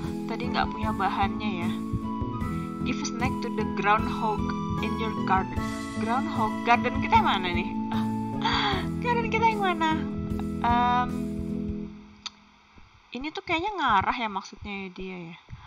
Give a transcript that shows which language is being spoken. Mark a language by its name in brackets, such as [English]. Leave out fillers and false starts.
[Indonesian] Tadi nggak punya bahannya ya. [English] Give a snack to the groundhog in your garden. [Indonesian] Groundhog, garden kita yang mana nih? Garden kita yang mana? Ini tuh kayaknya ngarah ya maksudnya dia ya.